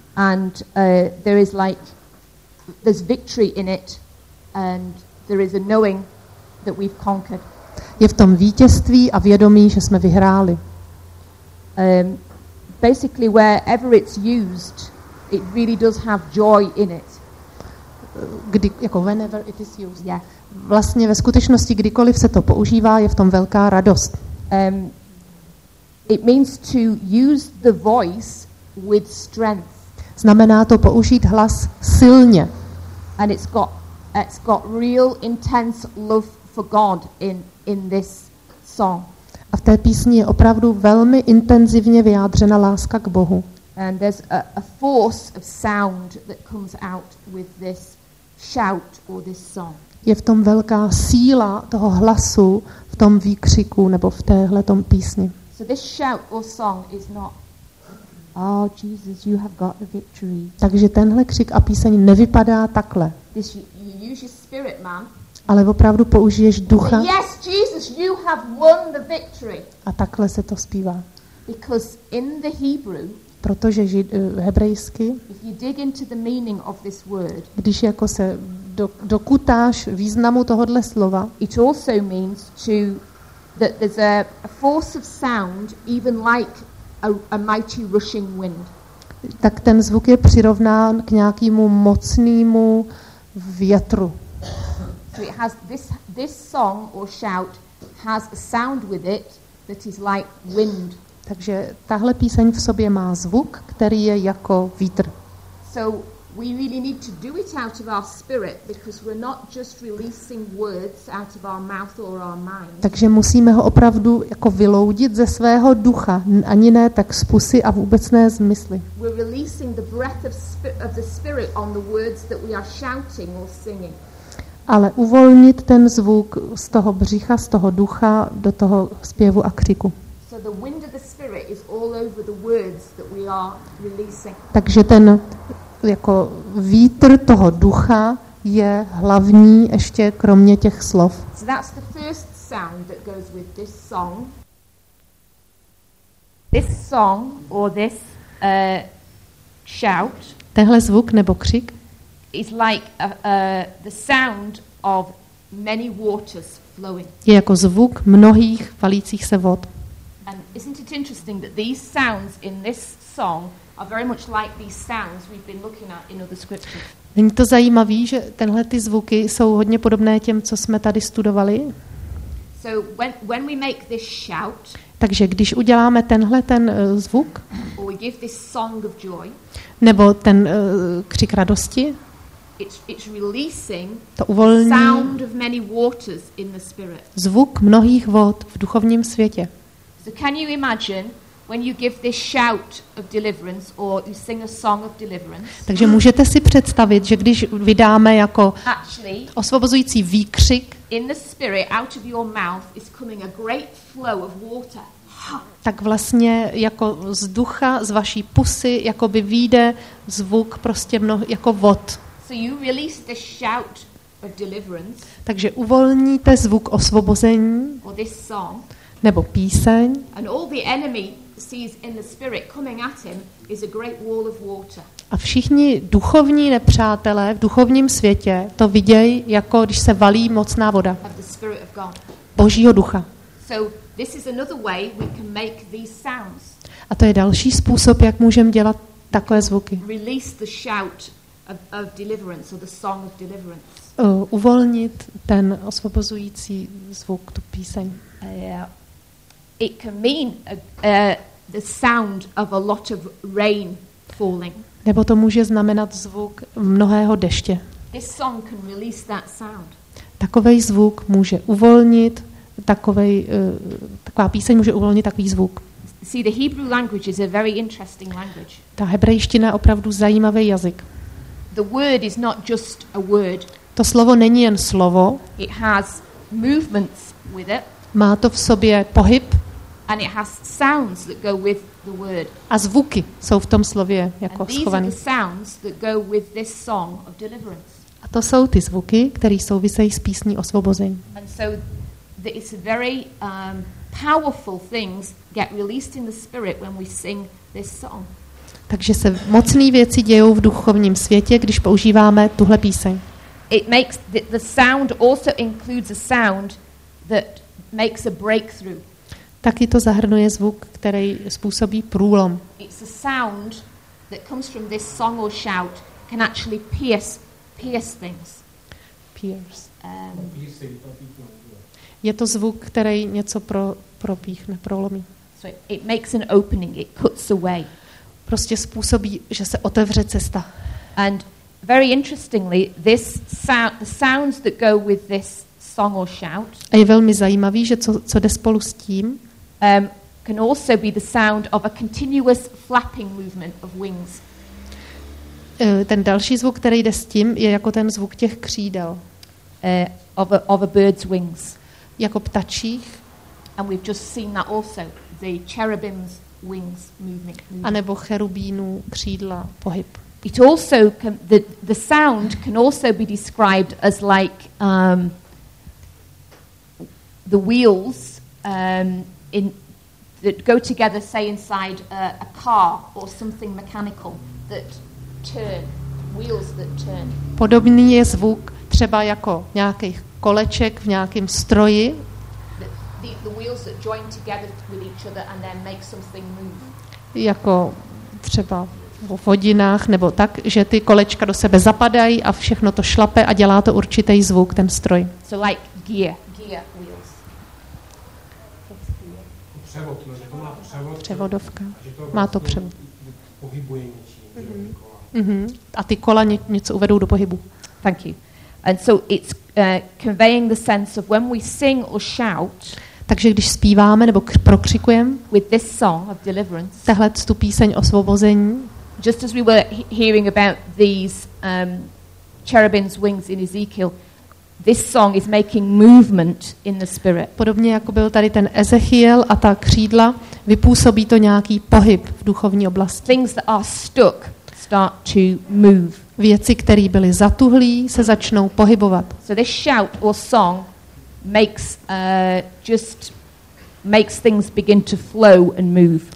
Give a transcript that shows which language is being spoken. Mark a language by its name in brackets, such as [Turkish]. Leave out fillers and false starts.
[English] And there is like there's victory in it and there is a knowing that we've conquered. [Czech] Je v tom vítězství a vědomí, že jsme vyhráli. [English] Basically wherever it's used, it really does have joy in it. [Czech] Kdy, jako [English] whenever it is used. Yeah. [Czech] Vlastně ve skutečnosti kdykoliv se to používá, je v tom velká radost. [English] It means to use the voice with strength. [Czech] Znamená to použít hlas silně. [English] And it's got real intense love for God in this song. [Czech] A v té písni je opravdu velmi intenzivně vyjádřena láska k Bohu. [English] And there's a force of sound that comes out with this shout or this song. [Czech] Je v tom velká síla toho hlasu v tom výkřiku nebo v téhle tom písni. [English] So this shout or song is not oh Jesus you have got the victory. [Czech] Takže tenhle křik a píseň nevypadá takhle. [English] This, you use your spirit, man. [Czech] Ale opravdu použiješ ducha. [English] Yes Jesus you have won the victory. [Czech] A takhle se to zpívá. [English] Because in the Hebrew. [Czech] Protože hebrejsky, [English] if you dig into the meaning of this word, [Czech] když jako se dokutáš významu tohodle slova, [English] it also means to that there's a force of sound even like a mighty rushing wind. [Czech] Tak ten zvuk je přirovnán k nějakému mocnému větru. [English] So it has this song or shout has a sound with it that is like wind. [Czech] Takže tahle píseň v sobě má zvuk, který je jako vítr. [English] So We really need to do it out of our spirit because we're not just releasing words out of our mouth or our mind. [Czech] Takže musíme ho opravdu jako vyloudit ze svého ducha, ani ne tak z pusy a vůbec ne z mysli. [English] We're releasing the breath of the spirit on the words that we are shouting or singing. [Czech] Ale uvolnit ten zvuk z toho břicha, z toho ducha do toho zpěvu a křiku. [English] So the wind of the spirit is all over the words that we are releasing. [Czech] Takže ten jako vítr toho ducha je hlavní ještě kromě těch slov. [English] So that's the first sound that goes with this song. This song or this shout. [Czech] Tenhle zvuk nebo křik. [English] Is like the sound of many waters flowing. [Czech] Je jako zvuk mnohých valících se vod. [English] And isn't it interesting that these sounds in this song are very much like these sounds we've been looking at in other scriptures. [Czech] Není to zajímavý, že tenhle ty zvuky jsou hodně podobné těm, co jsme tady studovali? [English] So when we make this shout, [Czech] takže když uděláme tenhle ten zvuk, [English] or we give this song of joy, [Czech] nebo ten křik radosti, [English] it's releasing [Czech] to uvolní [English] sound of many waters in the spirit. [Czech] Zvuk mnohých vod v duchovním světě. [English] So can you imagine when you give this shout of deliverance or you sing a song of deliverance. [Czech] Takže můžete si představit, že když vydáme jako osvobozující výkřik, [English] in the spirit out of your mouth is coming a great flow of water. [Czech] Tak vlastně jako z ducha, z vaší pusy, jako by vyjde zvuk prostě jako vod. [English] So you release the shout of deliverance. [Czech] Takže uvolníte zvuk osvobození. [English] Or this song. [Czech] Nebo píseň. [English] And all the enemy sees in the spirit coming at him is a great wall of water. [Czech] A všichni duchovní nepřátelé v duchovním světě to vidějí jako když se valí mocná voda. [English] Of the spirit of God. [Czech] Božího ducha. [English] So this is another way we can make these sounds. [Czech] A to je další způsob, jak můžeme dělat takové zvuky. [English] Release the shout of deliverance or the song of deliverance. [Czech] Uvolnit ten osvobozující zvuk, tu píseň. [English] It can mean the sound of a lot of rain falling. [Czech] Nebo to může znamenat zvuk mnohého deště. [English] This song can release that sound. [Czech] Takovej zvuk může uvolnit, taková píseň může uvolnit takový zvuk. [English] See, the Hebrew language is a very interesting language. [Czech] Ta hebrejština je opravdu zajímavý jazyk. [English] The word is not just a word. [Czech] To slovo není jen slovo. [English] It has movements with it. [Czech] Má to v sobě pohyb. [English] And it has sounds that go with the word. [Czech] A zvuky jsou v tom slově jako schované. [English] Sounds that go with this song of deliverance. [Czech] A to jsou ty zvuky, které souvisejí s písní osvobození. [English] And so it's a very powerful things get released in the spirit when we sing this song. [Czech] Takže se mocné věci dějou v duchovním světě, když používáme tuhle píseň. [English] It makes the sound also includes a sound that makes a breakthrough. [Czech] Taky to zahrnuje zvuk, který způsobí průlom. [English] It's a sound that comes from this song or shout can actually pierce things. [Czech] Je to zvuk, který něco propíchne, prolomí. [English] So it makes an opening, it cuts away. [Czech] Prostě způsobí, že se otevře cesta. [English] And very interestingly, this sound, the sounds that go with this song or shout. [Czech] A je velmi zajímavý, že co jde spolu s tím. [English] Can also be the sound of a continuous flapping movement of wings. [Czech] Ten další zvuk, který jde s tím, je jako ten zvuk těch křídel. [English] Of a bird's wings. [Czech] Jako ptačích. [English] And we've just seen that also, the cherubim's wings movement. [Czech] A nebo cherubínů křídla pohyb. [English] It also can, the sound can also be described as like the wheels in that go together, say inside a car or something mechanical that turn, wheels that turn. [Czech] Podobný je zvuk třeba jako nějakých koleček v nějakém stroji. [English] The wheels that join together with each other and then make something move. [Czech] Jako třeba v hodinách nebo tak, že ty kolečka do sebe zapadají a všechno to šlape a dělá to určitý zvuk, ten stroj. [English] So like gear wheels. [Czech] Převod, no, že to má převod. Převodovka. Má to převod. Pohybuje něčím. Mm-hmm. Mm-hmm. A ty kola něco uvedou do pohybu. [English] Thank you. And so it's conveying the sense of when we sing or shout. [Czech] Takže když zpíváme nebo prokřikujeme [English] with this song of deliverance. [Czech] Tahle tu píseň osvobození. [English] Just as we were hearing about these cherubim's wings in Ezekiel. This song is making movement in the spirit. [Czech] Podobně jako byl tady ten Ezechiel a ta křídla, vypůsobí to nějaký pohyb v duchovní oblasti. [English] Things that are stuck start to move. [Czech] Věci, které byly zatuhlí, se začnou pohybovat. [English] So this shout or song makes just makes things begin to flow and move.